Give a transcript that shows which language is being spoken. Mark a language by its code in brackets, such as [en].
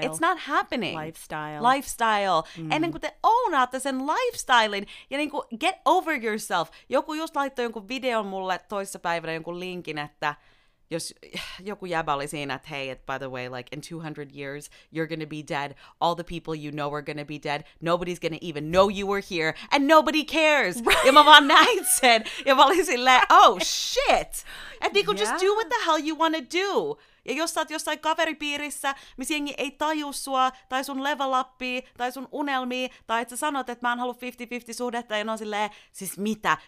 [en] It's not happening. Lifestyle. [fi] Ennen kuin te ownaatte sen lifestylein, ja niin kuin [en] get over yourself. [fi] Joku just laittoi jonkun videon mulle toissapäivänä jonkun linkin, että jos joku jäbä oli siinä, että [en] hey, by the way, like in 200 years, you're gonna be dead. All the people you know are gonna be dead. Nobody's gonna even know you were here, and nobody cares. Right. [fi] Ja mä vaan näin sen, ja mä olin silleen, [en] oh shit. [fi] Et niin kuin [en] just do what the hell you wanna do. [fi] Ja jos sä oot jossain kaveripiirissä, missä jengi ei taju sua, tai sun level upia, tai sun unelmia, tai että sä sanot, että mä en halua 50-50 suhdetta, ja ne on silleen, siis mitä?